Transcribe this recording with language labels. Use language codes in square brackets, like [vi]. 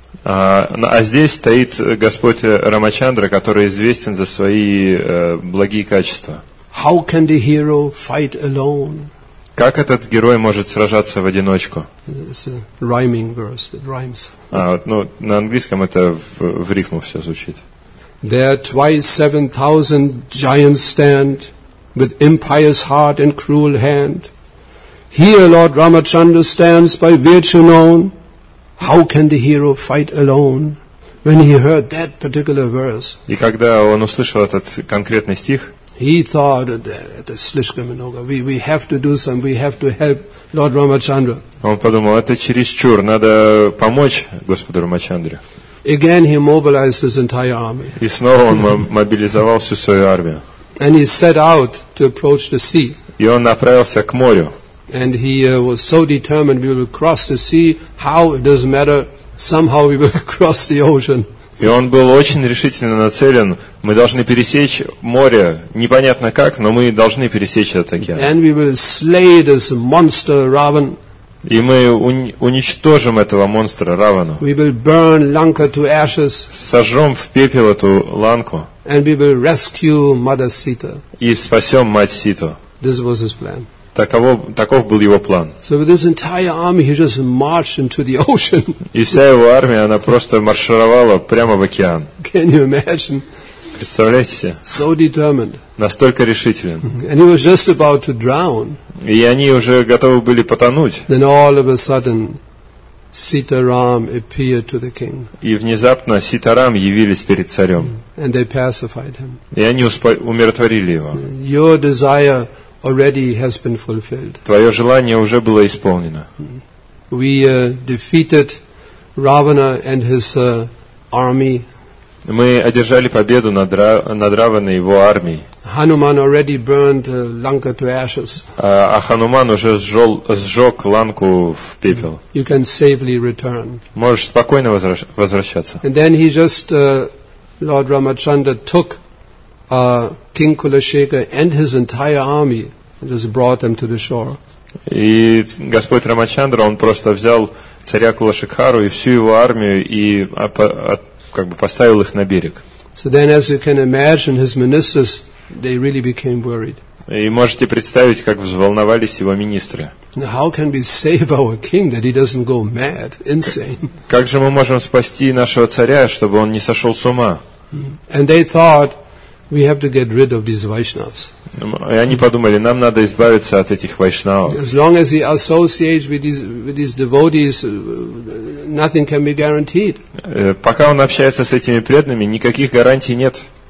[ru] А здесь стоит Господь Рамачандра, который известен за свои благие качества. [en] How can the hero fight alone? [ru] Как этот герой может сражаться в одиночку? [en] It's a rhyming verse. It rhymes. [ru] Ну, на английском это в рифму все звучит. [en] There twice 7,000 giants stand with impious heart and cruel hand. Here Lord Ramachandra stands by virtue known. How can the hero fight alone? When he heard that particular verse, [ru] и когда он услышал этот конкретный стих, [en] he thought that [ru] слишком много. [en] We have to do some. We have to help Lord Ramachandra. [ru] Он подумал, это чересчур. Надо помочь Господу Рамачандре. [en] Again, he mobilized his entire army. [ru] И снова он мобилизовал всю свою армию. [en] And he set out to approach the sea. [ru] И он направился к морю. [en] And he was so determined, we will cross the sea, how, it doesn't matter, somehow we will cross the ocean. [ru] И он был очень решительно нацелен. Мы должны пересечь море, непонятно как, но мы должны пересечь этот океан. [en] And we will slay this monster Ravan. [ru] И мы уничтожим этого монстра Равана. [en] We will burn Lanka to ashes. [ru] Сожжем в пепел эту Ланку. [en] And we will rescue Mother Sita. [ru] И спасем мать Ситу. [en] This was his plan. [ru] Таков был его план. [en] So with his entire army, he just marched into the ocean. [ru] И вся его армия, она просто маршировала прямо в океан. [en] Can you imagine? [ru] Представляете себе? [en] So determined. [ru] Настолько решителен. [en] And he was just about to drown. [ru] И они уже готовы были потонуть. [en] Then all of a sudden, Sitaram appeared to the king. [ru] И внезапно Ситарам явились перед царем. [en] And they pacified him. [ru] И они умиротворили его. [en] Your desire already has been fulfilled. [ru] Твое желание уже было исполнено. [en] We defeated Ravana and his army. [ru] Мы одержали победу над Раваной и его армией. [en] Hanuman already burned Lanka to ashes. [ru] А Хануман уже сжег Ланку в пепел. [en] You can safely return. [ru] Можешь спокойно возвращаться. [en] And then he just Lord Ramachandra took King Kulashekar and his entire army and just brought them to the shore. [ru] И Господь Рамачандра, он просто взял царя Кулашекару и всю его армию и как бы поставил их на берег. [en] So then, as you can imagine, his ministers, they really became worried. [ru] И можете представить, как взволновались его министры. [en] How can we save our king that he doesn't go mad, insane? [ru] Как же мы можем спасти нашего царя, чтобы он не сошел с ума? [en] And they thought, we have to get rid of these Vaishnavs. [ru] И они подумали, нам надо избавиться от этих Вайшнавов. [en] As long as he associates with these devotees, nothing can be guaranteed. [ru] Пока он общается с этими преданными, никаких гарантий нет.